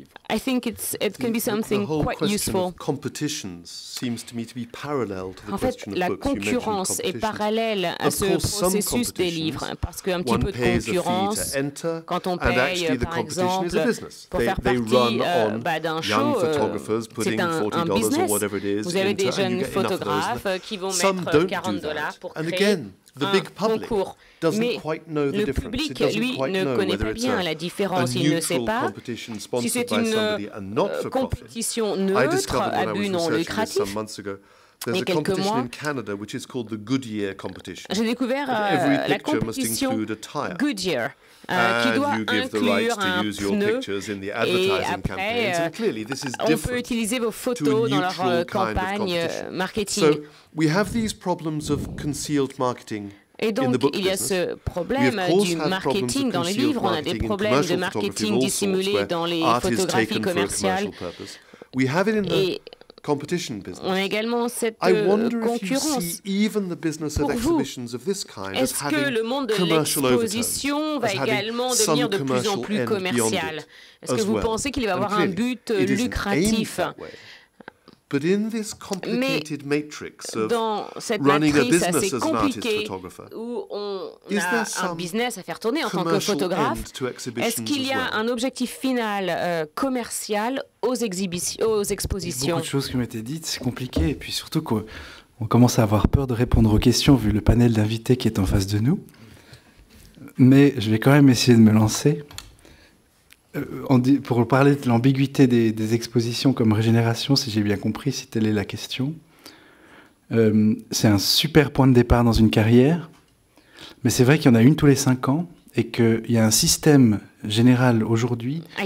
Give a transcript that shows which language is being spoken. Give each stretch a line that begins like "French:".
English: I think it can be something quite useful. The whole question of competitions seems to me to be parallel to the question of books you mentioned.
French: La concurrence est parallèle à ce processus des livres, parce qu'un petit peu de concurrence, quand on paye, par exemple, pour faire partie d'un show, c'est un business. Vous avez des jeunes photographes qui vont mettre $40 pour créer
English: the big public doesn't quite know the difference.
French: Public, lui, ne connaît pas bien la différence. Il ne sait pas si c'est une compétition neutre à but non lucratif.
English: There's a competition in Canada which is called the Goodyear competition.
French: J'ai découvert la compétition Goodyear. Qui doit inclure un pneu et après
English: clearly, this is
French: on peut utiliser vos photos dans leur campagne marketing.
English: So we have these problems of concealed marketing.
French: Et donc, il y a ce problème du marketing dans les livres. On a des problèmes de marketing dissimulés dans les photographies commerciales.
English: We have it in the competition business.
French: On a également cette concurrence.
English: Even the business of exhibitions of this kind as having
French: que le monde de l'exposition va également devenir de plus en plus commercial? Est-ce que vous pensez qu'il va avoir un but lucratif?
English: But in this complicated matrix of running a business as an artist photographer, is there some business
French: à faire tourner en tant que photographe? Est-ce qu'il y a un objectif final commercial aux expositions? Beaucoup de choses qui m'ont été dites, c'est compliqué, et puis surtout qu'on commence à avoir peur de répondre aux questions vu le panel d'invités qui est en face de nous. Mais je vais quand même essayer de me lancer. Pour parler de l'ambiguïté des expositions comme régénération, si j'ai bien compris, si telle est la question, c'est un super point de départ dans une carrière, mais c'est vrai qu'il y en a une tous les 5 ans et qu'il y a un système général aujourd'hui